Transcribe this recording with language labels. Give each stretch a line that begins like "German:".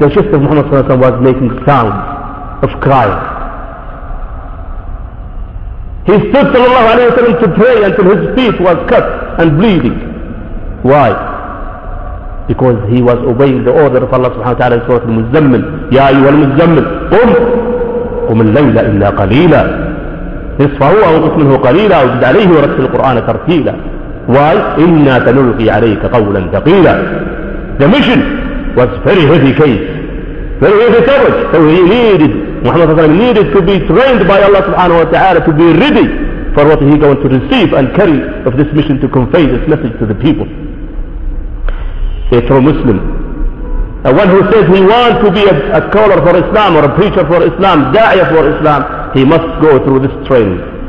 English: The chest of Muhammad sallallahu alayhi wa sallam was making sound of crying. He stood sallallahu alayhi wa sallam to pray until his feet was cut and bleeding. Why? Because he was obeying the order of Allah subhanahu wa ta'ala in Surah Al-Muzzammil.
Arabic: Ya ayyuha al-Muzzammil, qum! قم الليل إلا قليلا نصفه أو قص منه قليلا وزد عليه ورتل القرآن ترتيلا
English: Why?
Arabic: إنا تنلقي عليك قولا ثقيلا.
English: The mission was very heavy case, very heavy coverage. So he needed, Muhammad صلى الله عليه وسلم needed to be trained by Allah subhanahu wa ta'ala to be ready for what he going to receive and carry of this mission to convey this message to the people. A true Muslim, one who says he wants to be a caller for Islam or a preacher for Islam, da'iyah for Islam, he must go through this training.